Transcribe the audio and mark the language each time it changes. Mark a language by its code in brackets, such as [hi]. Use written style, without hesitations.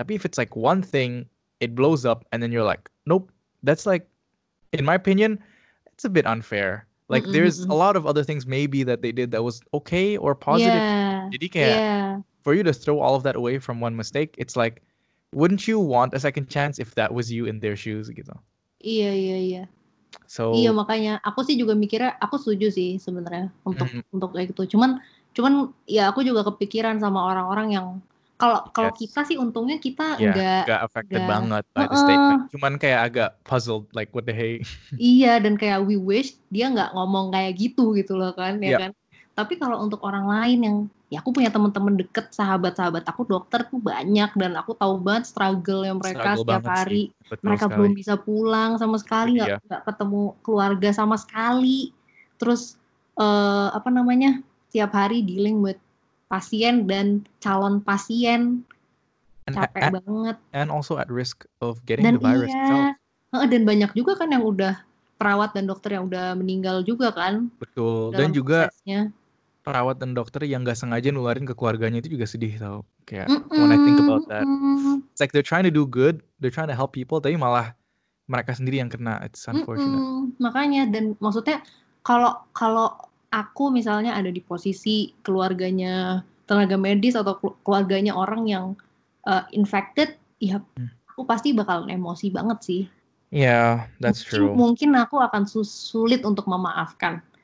[en] Tapi if it's like one thing, it blows up, and then you're like, nope, that's like, in my opinion, it's a bit unfair. Like, there's a lot of other things maybe that they did that was okay or positive. [id] Jadi kayak, [en] for you to throw all of that away from one mistake, it's like, wouldn't you want a second chance if that was you in their shoes, gitu? [id] Iya. [en] So, [id] iya, makanya. Aku sih juga mikirnya, aku setuju sih sebenarnya untuk kayak gitu. Cuman, ya aku juga kepikiran sama orang-orang yang, kalau kita sih untungnya kita enggak [en] affected banget by the statement. [id] Cuman kayak agak [en] puzzled like what the hey. [id] Iya, dan kayak [en] we wish [id] dia enggak ngomong kayak gitu loh kan, ya kan. Tapi kalau untuk orang lain yang ya aku punya teman-teman deket, sahabat-sahabat aku dokter tuh banyak, dan aku tahu banget struggle-nya mereka setiap hari. Mereka belum bisa pulang sama sekali, enggak ketemu keluarga sama sekali. Terus setiap hari dealing with pasien dan calon pasien, capek banget. [en] And also at risk of getting the virus itself. [id] Dan banyak juga kan yang udah perawat dan dokter yang udah meninggal juga kan. Betul. Dan juga prosesnya. perawat dan dokter yang gak sengaja nularin ke keluarganya itu juga sedih tau. [en] Kayak, when I think about that, it's like they're trying to do good, they're trying to help people, [id] tapi malah mereka sendiri yang kena. [en] It's unfortunate. Mm-mm. [id] Makanya, dan maksudnya kalau aku misalnya ada di posisi keluarganya tenaga medis atau keluarganya orang yang infected, ya aku pasti bakalan emosi banget sih. [en] Yeah, that's [id] mungkin, [en] true. [id] Mungkin aku akan sulit untuk memaafkan.